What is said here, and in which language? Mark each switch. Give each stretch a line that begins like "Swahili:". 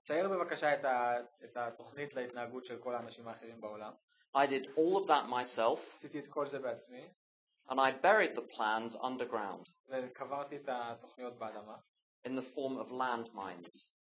Hebrew: תאר בבקשה את התוכנית להתנהגות של כל האנשים האחרים בעולם.
English: I did all of that myself.
Hebrew: עשיתי את כל זה בעצמי.
English: And I buried the plans underground.
Hebrew: וקברתי את התוכניות באדמה.
English: In the form of landmines.